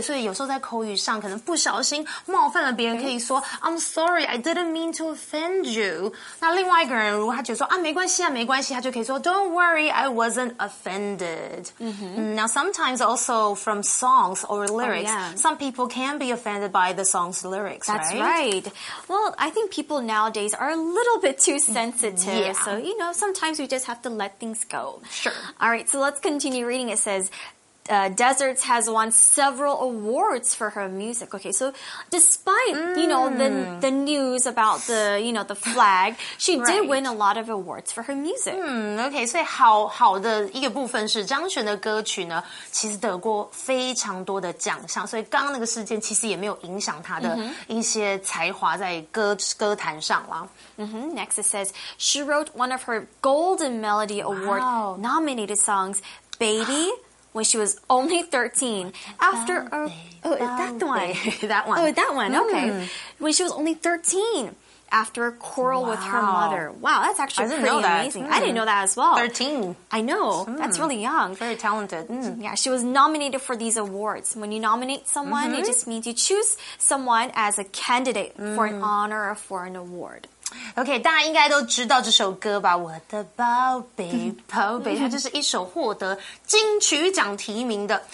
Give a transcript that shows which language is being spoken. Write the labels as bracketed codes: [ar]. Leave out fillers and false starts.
[zh] 所以有时候在口语上可能不小心冒犯了别人，可以说。 [en] I'm sorry, I didn't mean to offend you. [zh] 那另外一个人如果他觉得说啊没关系啊没关系，他就可以说 [en] Don't worry, I wasn't offended.、Now sometimes also from songs or lyrics,、some people can be offended by the song's lyrics, That's right? That's right. Well, I think people nowadays are a little bit too sensitive. Yeah. So, you know, sometimes we just have to let things go. Sure. All right, so let's continue reading. It says... Deserts has won several awards for her music. Okay, so despite, you know, the news about the, you know, the flag, she did win a lot of awards for her music. Okay, 所以好的一个部分是张悬的歌曲呢其实得过非常多的奖项，所以刚刚那个事件其实也没有影响她的一些才华在歌坛上啦。 Next it says, she wrote one of her Golden Melody Award nominated songs, Baby... when she was only 13. After when she was only 13, after a quarrel with her mother. Wow, that's actually pretty amazing. I didn't know that as well. 13. I know, that's really young. Very talented. Yeah, she was nominated for these awards. When you nominate someone, it just means you choose someone as a candidate for an honor or for an award. [zh] OK, 大家应该都知道这首歌吧，我的宝贝宝贝，它就是一首获得金曲奖提名的。